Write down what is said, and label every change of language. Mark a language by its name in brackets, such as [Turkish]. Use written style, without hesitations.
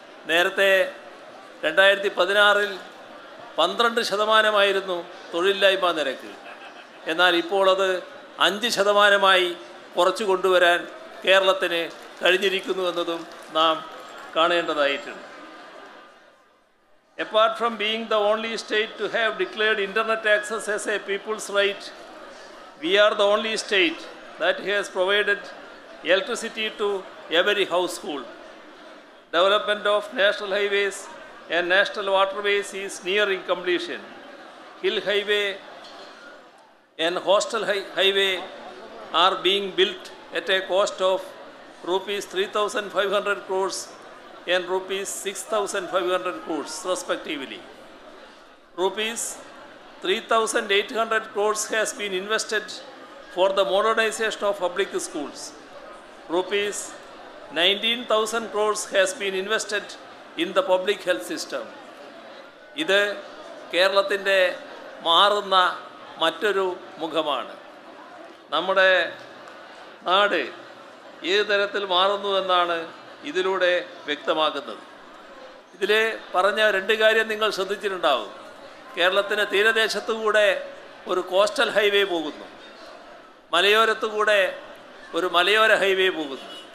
[Malayalam] നേരത്തെ 2016 12% തൊഴിലില്ലായ്മ നിരക്ക്, എന്നാൽ ഇപ്പോൾ അത് 5% കുറച്ചു കൊണ്ടുവരാൻ കേരളത്തിന് കഴിഞ്ഞിരിക്കുന്നു എന്നതും നാം കാണേണ്ടതായിട്ടുണ്ട്. [English] Apart from being the only state to have declared internet access as a people's right, we are the only state that has provided electricity to every household. Development of national highways and national waterways is nearing completion. Hill highway and hostel highway are being built at a cost of ₹3,500 crores and ₹6,500 crores respectively. ₹3,800 crores has been invested for the modernization of public schools. ₹19,000 crores has been invested in the public health system. [Malayalam] ഇത് കേരളത്തിൻ്റെ മാറുന്ന മറ്റൊരു മുഖമാണ്. നമ്മുടെ നാട് ഏത് തരത്തിൽ മാറുന്നു എന്നാണ് ഇതിലൂടെ വ്യക്തമാകുന്നത്. ഇതിൽ പറഞ്ഞ രണ്ട് കാര്യം നിങ്ങൾ ശ്രദ്ധിച്ചിട്ടുണ്ടാവും. കേരളത്തിന് തീരദേശത്തുകൂടെ ഒരു കോസ്റ്റൽ ഹൈവേ പോകുന്നു, മലയോരത്തുകൂടെ ഒരു മലയോര ഹൈവേ പോകുന്നു.